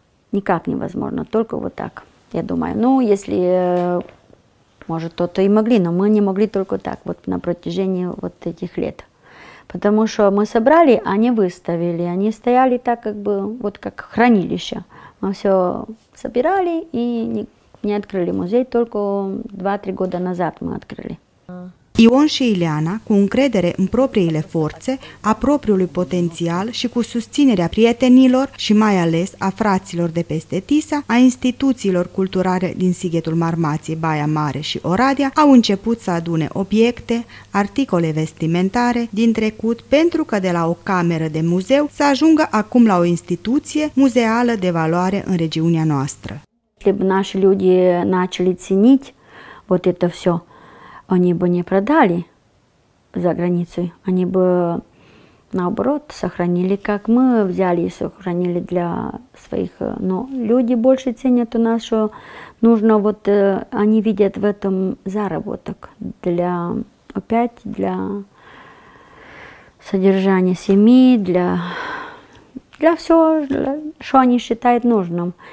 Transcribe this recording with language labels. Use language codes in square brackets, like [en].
[ru] Никак невозможно, только вот так, я думаю. Ну, если, может, кто-то и могли, но мы не могли только так, вот на протяжении вот этих лет. Потому что мы собрали, а не выставили. Они стояли так, как бы, вот как хранилище. Мы все собирали и не открыли музей. Только 2-3 года назад мы открыли. [ro] Ion și Ileana, cu încredere în propriile forțe, a propriului potențial și cu susținerea prietenilor și mai ales a fraților de peste Tisa, a instituțiilor culturale din Sighetul Marmației, Baia Mare și Oradea, au început să adune obiecte, articole vestimentare din trecut, pentru că de la o cameră de muzeu să ajungă acum la o instituție muzeală de valoare în regiunea noastră. [ru] Наши люди начали ценить вот это все. Они бы не продали за границей, они бы, наоборот, сохранили, как мы взяли и сохранили для своих. Но люди больше ценят у нас, что нужно, вот они видят в этом заработок для, опять, для содержания семьи, для всего, для, что они считают нужным.